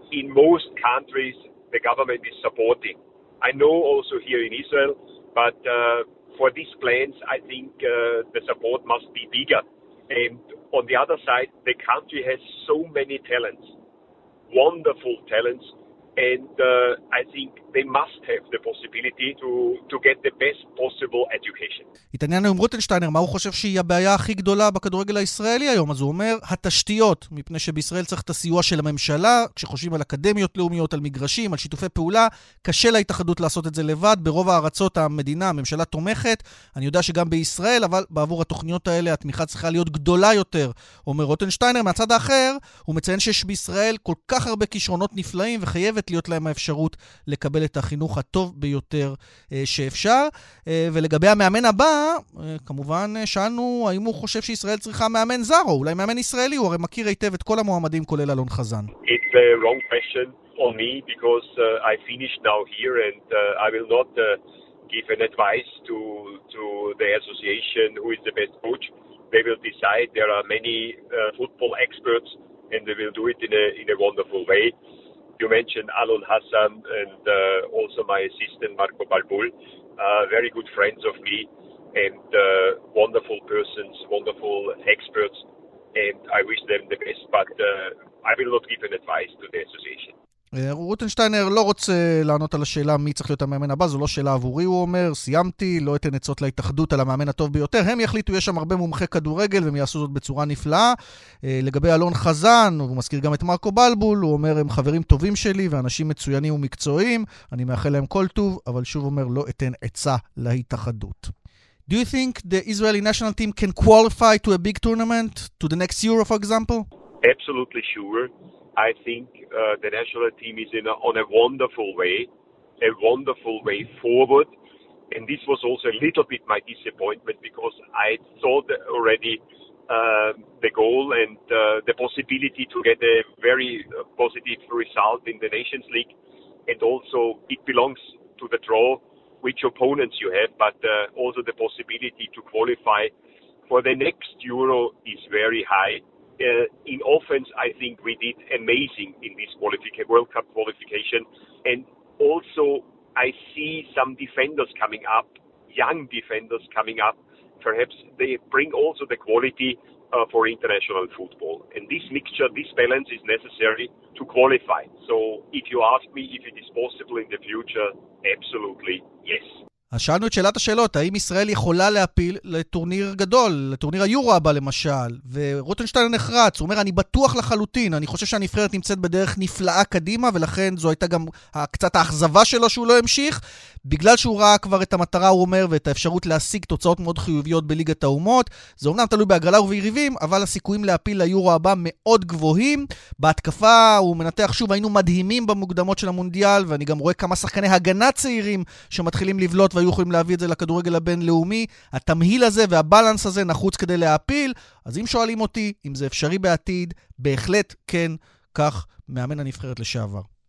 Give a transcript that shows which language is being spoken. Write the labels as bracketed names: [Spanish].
[English] In most countries, the government is supporting. I know also here in Israel, but for these plans, I think the support must be bigger. And on the other side, the country has so many talents, wonderful talents, and I think they must have the possibility to get the best possible education. [Hebrew] התעניינו עם רוטנשטיינר, מה הוא חושב שהיא הבעיה הכי גדולה בכדורגל הישראלי היום? אז הוא אומר, התשתיות, מפני שבישראל צריך את הסיוע של הממשלה, כשחושבים על אקדמיות לאומיות, על מגרשים, על שיתופי פעולה, קשה להתאחדות לעשות את זה לבד, ברוב הארצות המדינה, הממשלה תומכת, אני יודע שגם בישראל, אבל בעבור התוכניות האלה, התמיכה צריכה להיות גדולה יותר, אומר רוטנשטיינר. מהצד האחר, הוא מציין שיש בישראל כל כך הרבה כישרונות נפלאים וחייב להיות להם האפשרות לקבל את החינוך הטוב ביותר שאפשר. ולגבי המאמן הבא, כמובן שאלנו האם הוא חושב שישראל צריכה מאמן זר או אולי מאמן ישראלי. הוא הרי מכיר היטב את כל המועמדים כולל אלון חזן. [English] It's a wrong question on me because I finished now here and I will not give an advice to the association who is the best coach. They will decide. There are many football experts and they will do it in a wonderful way. You mentioned Alon Hassan and also my assistant Marco Balbul, very good friends of me and wonderful persons, wonderful experts, and I wish them the best, but I will not give an advice to the association. [Hebrew] רוטנשטיינר לא רוצה לענות על השאלה מי צריך להיות המאמן הבא, זו לא שאלה עבורי, הוא אומר, סיימתי, לא אתן עצות להתאחדות על המאמן הטוב ביותר, הם יחליטו, יש שם הרבה מומחי כדורגל והם יעשו זאת בצורה נפלאה. לגבי אלון חזן, הוא מזכיר גם את מרקו בלבול, הוא אומר, הם חברים טובים שלי ואנשים מצוינים ומקצועיים, אני מאחל להם כל טוב, אבל שוב אומר, לא אתן עצה להתאחדות. [English] Do you think the Israeli national team can qualify to a big tournament, to the next Euro for example? Absolutely sure. I think the national team is on a wonderful way forward, and this was also a little bit my disappointment because I thought already the goal and the possibility to get a very positive result in the Nations League, and also it belongs to the draw which opponents you have, but also the possibility to qualify for the next Euro is very high. In offense, I think we did amazing in this World Cup qualification. And also, I see some defenders coming up, young defenders coming up. Perhaps they bring also the quality for international football. And this mixture, this balance is necessary to qualify. So if you ask me if it is possible in the future, absolutely yes. [Hebrew] שאלנו את שאלת השאלות, האם ישראל יכולה להפיל לטורניר גדול, לטורניר היורו הבא למשל, ורוטנשטיין נחרץ, הוא אומר, אני בטוח לחלוטין, אני חושב שהנבחרת נמצאת בדרך נפלאה קדימה, ולכן זו הייתה גם קצת האכזבה שלו שהוא לא המשיך, בגלל שהוא ראה כבר את המטרה, הוא אומר, ואת האפשרות להשיג תוצאות מאוד חיוביות בליגת האומות, זה אומנם תלוי בהגרלה וביריבים, אבל הסיכויים להפיל ליורו הבא מאוד גבוהים, בהתקפה הוא מנתח שוב, היינו מדהימים במוקדמות של המונדיאל, ואני גם רואה כמה שחקני הגנה צעירים שמתחילים לבלוט, והיו יכולים להביא את זה לכדורגל הבינלאומי, התמהיל הזה והבלנס הזה נחוץ כדי להפיל, אז אם שואלים אותי, אם זה אפשרי בעתיד, בהחלט כן, כך מאמן הנבחרת לשעבר.